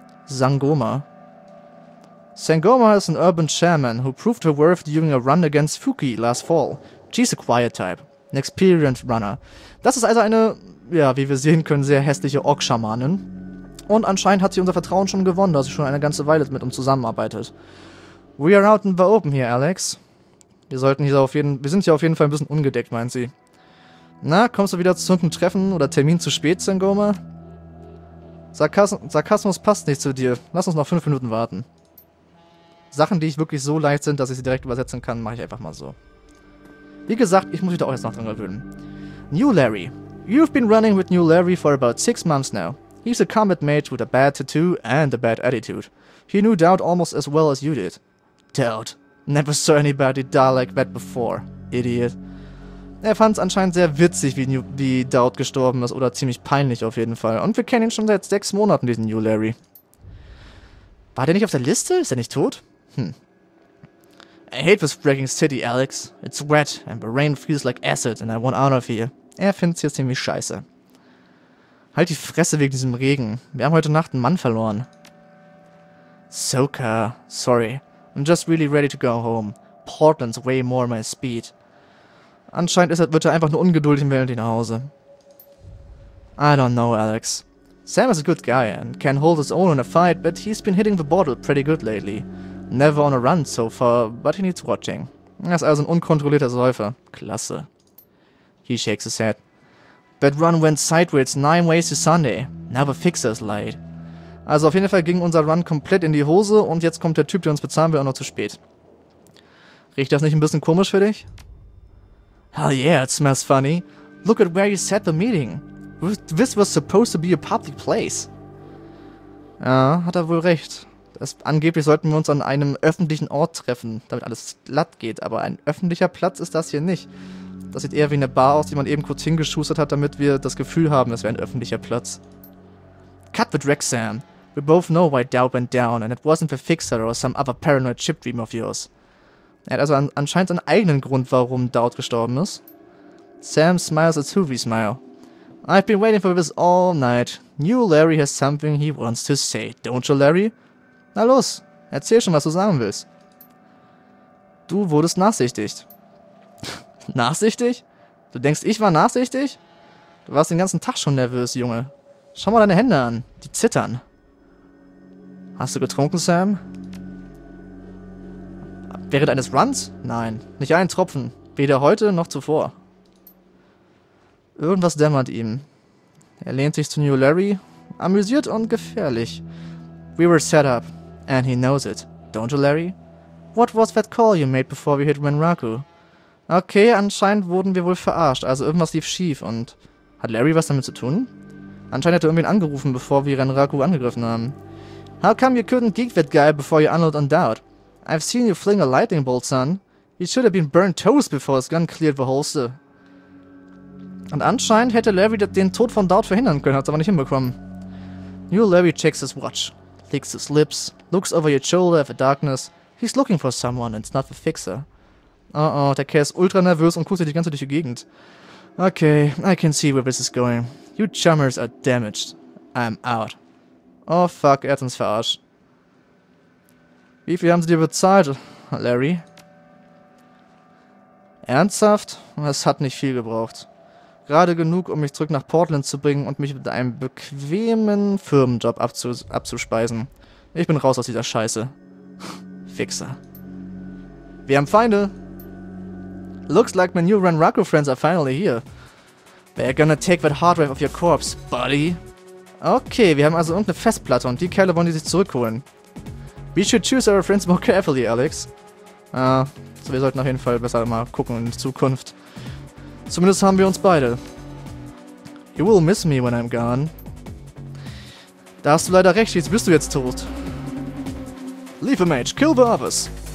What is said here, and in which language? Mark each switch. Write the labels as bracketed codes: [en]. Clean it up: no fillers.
[en] Sangoma. Sangoma is an urban shaman who proved her worth during a run against Fuki last fall. She's a quiet type. An experienced runner. [de] Das ist also eine, ja, wie wir sehen können, sehr hässliche Ork-Schamanin. Und anscheinend hat sie unser Vertrauen schon gewonnen, da sie schon eine ganze Weile mit uns zusammenarbeitet. [en] We are out in the open here, Alex. [de] Wir sind hier auf jeden Fall ein bisschen ungedeckt, meint sie. Na, kommst du wieder zu einem Treffen oder Termin zu spät, Sangoma? Sarkasmus passt nicht zu dir. Lass uns noch 5 Minuten warten. Sachen, die ich wirklich so leicht sind, dass ich sie direkt übersetzen kann, mache ich einfach mal so. Wie gesagt, ich muss mich da auch jetzt noch dran gewöhnen. [en] New Larry. You've been running with New Larry for about 6 months now. He's a combat mage with a bad tattoo and a bad attitude. He knew Doubt almost as well as you did. Doubt. Never saw anybody die like that before. Idiot. [de] Er fand es anscheinend sehr witzig, wie Doubt gestorben ist, oder ziemlich peinlich auf jeden Fall. Und wir kennen ihn schon seit 6 Monaten, diesen New Larry. War der nicht auf der Liste? Ist er nicht tot? [en] I hate this freaking city, Alex. It's wet and the rain feels like acid and I want out of here. [de] Er findet's hier ziemlich scheiße. Halt die Fresse wegen diesem Regen. Wir haben heute Nacht einen Mann verloren. Soka, sorry. [en] I'm just really ready to go home. Portland's way more my speed. [de] Anscheinend wird er einfach nur ungeduldig und will nicht nach Hause. [en] I don't know, Alex. Sam is a good guy and can hold his own in a fight, but he's been hitting the bottle pretty good lately. Never on a run so far, but he needs watching. [de] Er ist also ein unkontrollierter Säufer. Klasse. [en] He shakes his head. That run went sideways 9 ways to Sunday. Now the fixer's late. [de] Also auf jeden Fall ging unser Run komplett in die Hose und jetzt kommt der Typ, der uns bezahlen will, auch noch zu spät. Riecht das nicht ein bisschen komisch für dich? [en] Hell yeah, it smells funny. Look at where you set the meeting. This was supposed to be a public place. [de] Ja, hat er wohl recht. Angeblich sollten wir uns an einem öffentlichen Ort treffen, damit alles glatt geht, aber ein öffentlicher Platz ist das hier nicht. Das sieht eher wie eine Bar aus, die man eben kurz hingeschustert hat, damit wir das Gefühl haben, es wäre ein öffentlicher Platz. [en] Cut the drag, Sam. We both know why Dow went down and it wasn't the Fixer or some other paranoid chip dream of yours. [de] Er hat also anscheinend seinen eigenen Grund, warum Dowd gestorben ist. [en] Sam smiles a toothy smile. I've been waiting for this all night. New Larry has something he wants to say, don't you, Larry? [de] Na los, erzähl schon, was du sagen willst. Du wurdest nachsichtig. Nachsichtig? Du denkst, ich war nachsichtig? Du warst den ganzen Tag schon nervös, Junge. Schau mal deine Hände an, die zittern. Hast du getrunken, Sam? Während eines Runs? Nein, nicht einen Tropfen. Weder heute noch zuvor. Irgendwas dämmert ihm. Er lehnt sich zu New Larry. Amüsiert und gefährlich. [en] We were set up. And he knows it. Don't you, Larry? What was that call you made before we hit Renraku? [de] Okay, anscheinend wurden wir wohl verarscht. Also irgendwas lief schief. Und hat Larry was damit zu tun? Anscheinend hat er irgendwen angerufen, bevor wir Renraku angegriffen haben. [en] How come you couldn't geek that guy before you unload on Doubt? I've seen you fling a lightning bolt, son. He should have been burnt toast before his gun cleared the holster. [de] Und anscheinend hätte Larry den Tod von Doubt verhindern können, hat es aber nicht hinbekommen. [en] New Larry checks his watch, licks his lips, looks over your shoulder at the darkness. He's looking for someone, and it's not the Fixer. [de] Oh, der Kerl ist ultra nervös und kustet die ganze durch die Gegend. [en] Okay, I can see where this is going. You chummers are damaged. I'm out. [de] Oh fuck, er hat uns verarscht. Wie viel haben sie dir bezahlt, Larry? Ernsthaft? Es hat nicht viel gebraucht. Gerade genug, um mich zurück nach Portland zu bringen und mich mit einem bequemen Firmenjob abzuspeisen. Ich bin raus aus dieser Scheiße. Fixer. Wir haben Feinde. [en] Looks like my new Renraku friends are finally here. They're gonna take that hard drive of your corpse, buddy. [de] Okay, wir haben also irgendeine Festplatte und die Kerle wollen die sich zurückholen. [en] We should choose our friends more carefully, Alex. [de] So wir sollten auf jeden Fall besser mal gucken in Zukunft. Zumindest haben wir uns beide. [en] You will miss me when I'm gone. [de] Da hast du leider recht, jetzt bist du jetzt tot. [en] Leave a mage, kill the others.